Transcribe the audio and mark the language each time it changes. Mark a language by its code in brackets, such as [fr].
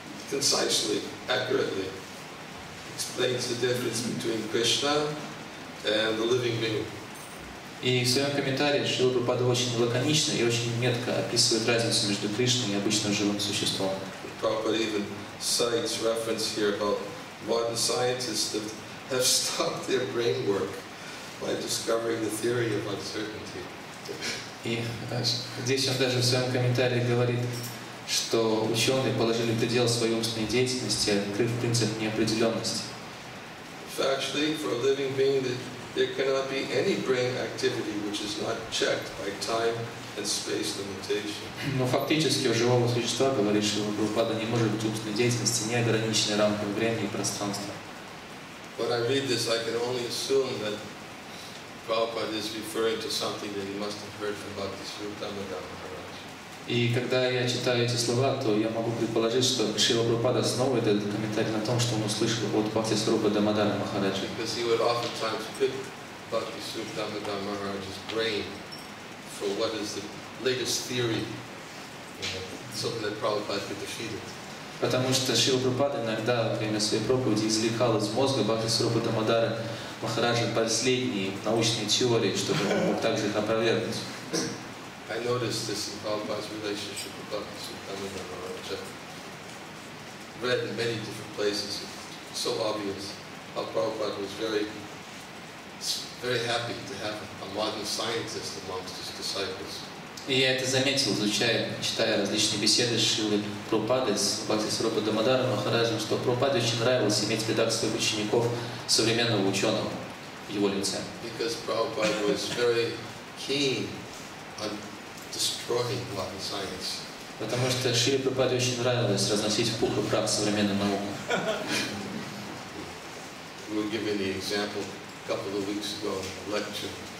[en] Concisely, accurately explains the difference between Krishna and the living being. [ru] И в своем комментарии Шрила Прабхупада очень лаконично и очень метко описывает разницу между Кришной и обычным живым существом. [en] Prabhupada even cites reference here about modern scientists have stopped their brain work by discovering the theory of uncertainty. [ru] И здесь он даже в своем комментарии говорит, что ученые положили предел своей умственной деятельности, открыв принцип неопределенности. [en] Factually, for a living being, there cannot be any brain activity which is not checked by time and space limitation. [ru] Но фактически у живого существа, говорит Шрила Прабхупада, не может быть умственной деятельности не ограниченной рамкой времени и пространства. [en] When I read this, I can only assume that Prabhupada is referring to something that he must have heard from Bhakti Śrīmatā Madhava Maharaj. [ru] И когда я читаю эти слова, то я могу предположить, что Шрила Прабхупада снова этот комментарий на том, что он услышал от Бхакти Сварупа Дамодара Махараджи. [en] Because he would oftentimes pick Bhakti Swarupa Damodara Maharaj's brain for what is the latest theory, something that Prabhupada could defeat it. [ru] Потому что Шрила Прабхупада иногда во время своей проповеди извлекал из мозга Бхакти Сварупа Дамодара Махараджи последние научные теории, чтобы он мог также их опровергнуть. [en] I noticed this in Prabhupada's relationship with Bhakti Sukhamana Maharaj. Read in many different places, so obvious how Prabhupada was very happy to have a modern scientist amongst his disciples. [ru] И я это заметил, изучая, читая различные беседы Шрилы Прабхупады с Бхакти Сварупа Дамодара Махараджем, что Прабхупаде очень нравилось иметь в рядах своих учеников современного ученого в его лице. [en] Because Prabhupada was very keen on destroying modern science. [ru] Потому что Шриле Прабхупаде очень нравилось разносить в пух и прах современную науку. [en] We were given the example a couple of weeks ago, a lecture.